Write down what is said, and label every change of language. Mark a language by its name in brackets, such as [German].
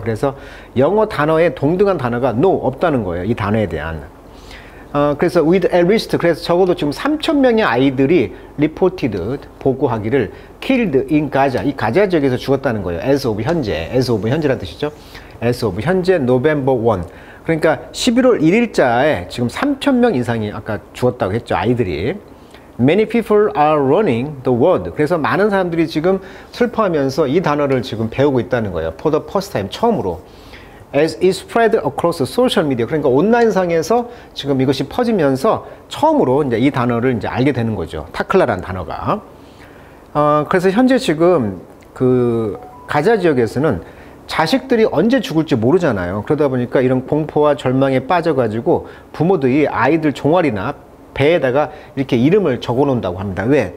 [Korean] 그래서 영어 단어에 동등한 단어가 no, 없다는 거예요. 이 단어에 대한. 그래서 with at least, 그래서 적어도 지금 3,000명의 아이들이 reported, 보고하기를 [English] killed in Gaza, [Korean] 이 가자 지역에서 죽었다는 거예요. [English] As of [Korean] 현재란 뜻이죠. [English] As of [Korean] 현재 [English] November 1. [Korean] 그러니까 11월 1일자에 지금 3,000명 이상이 아까 죽었다고 했죠, 아이들이. [English] Many people are running the world. [Korean] 그래서 많은 사람들이 지금 슬퍼하면서 이 단어를 지금 배우고 있다는 거예요. [English] For the first time, [Korean] 처음으로. [English] as it spread across social media. [Korean] 그러니까 온라인상에서 지금 이것이 퍼지면서 처음으로 이제 이 단어를 이제 알게 되는 거죠. 타클라란 단어가. 그래서 현재 지금 그 가자 지역에서는 자식들이 언제 죽을지 모르잖아요. 그러다 보니까 이런 공포와 절망에 빠져가지고 부모들이 아이들 종아리나 배에다가 이렇게 이름을 적어놓는다고 합니다. 왜?